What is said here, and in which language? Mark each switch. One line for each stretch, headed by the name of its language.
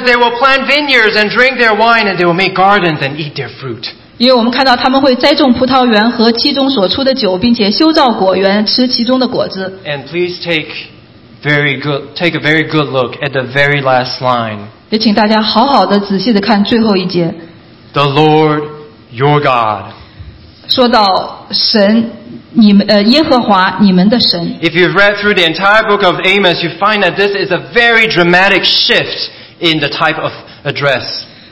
English: they will plant vineyards and drink their wine, and they will make gardens and eat their fruit.
Chinese: 因为我们看到他们会栽种葡萄园和其中所出的酒，并且修造果园，吃其中的果子。
English: And please take. Take a very good look at the very last line.
Chinese: 也请大家好好的仔细的看最后一节。
English: The Lord your God.
Chinese: 说到神，你们耶和华你们的神。
English: If you've read through the entire book of Amos, you find that this is a very dramatic shift in the type of address.